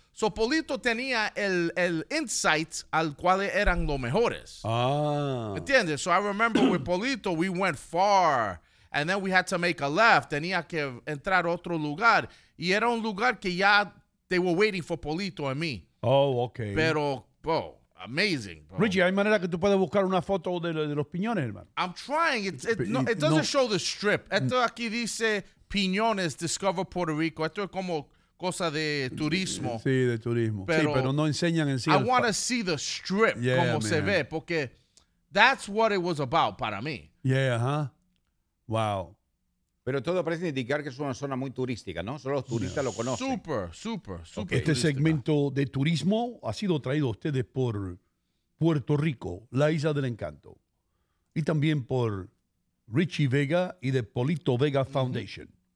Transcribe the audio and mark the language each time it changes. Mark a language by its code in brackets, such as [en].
[es] So Polito tenía el insight al cual eran los mejores. Ah. ¿Entiendes? [en] So I remember with Polito, we went far. And then we had to make a left. [es] Tenía que entrar a otro lugar. Y era un lugar que ya [en] they were waiting for Polito and me. Oh, okay. Pero, amazing, bro. [es] Richie, ¿hay manera que tú puedes buscar una foto de Los Piñones, hermano? [en] I'm trying. It doesn't show the strip. [es] Esto aquí dice Piñones, Discover Puerto Rico. Esto es como cosa de turismo. Sí, de turismo. Pero no enseñan en sí. [en] I want to see the strip, yeah, [es] como [en] man. [es] Se ve, porque [en] that's what it was about [es] para mí. [en] Yeah, huh? Wow. [es] Pero todo parece indicar que es una zona muy turística, ¿no? Solo los turistas lo conocen. Súper, súper, súper. Okay. Este turística. Segmento de turismo ha sido traído a ustedes por Puerto Rico, la Isla del Encanto. Y también por Richie Vega y de Polito Vega Foundation.